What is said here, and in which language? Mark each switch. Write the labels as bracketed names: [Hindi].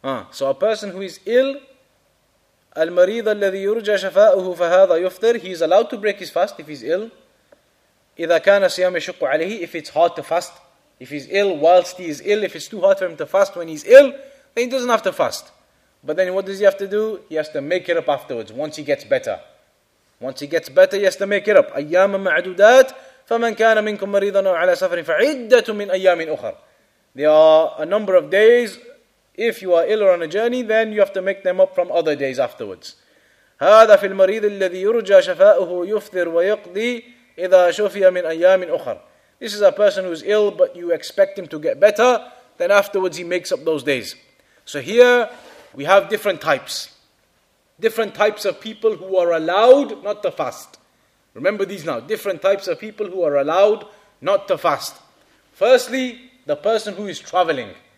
[English] So a person who is ill, [Arabic] المريض الذي يرجى شفاؤه فهذا يفطر, [English] he is allowed to break his fast if he's ill. [Arabic] إذا كان صيام يشق عليه, [English] if it's hard to fast, if he's ill, whilst he is ill, if it's too hard for him to fast when he's ill, then he doesn't have to fast. But then what does he have to do? He has to make it up afterwards, once he gets better. Once he gets better, he has to make it up. [Arabic] أيام معدودات, فمن كان منكم مريضا أو على سفر فعدة من أيام أخرى. [English] There are a number of days. If you are ill or on a journey, then you have to make them up from other days afterwards. [Arabic] هذا في المريض الذي يرجى شفاؤه يفطر ويقضي إذا شفي من أيام أخرى. [English] This is a person who is ill, but you expect him to get better. Then afterwards, he makes up those days. So here, we have different types. Different types of people who are allowed not to fast. Remember these now. Different types of people who are allowed not to fast. Firstly, the person who is traveling.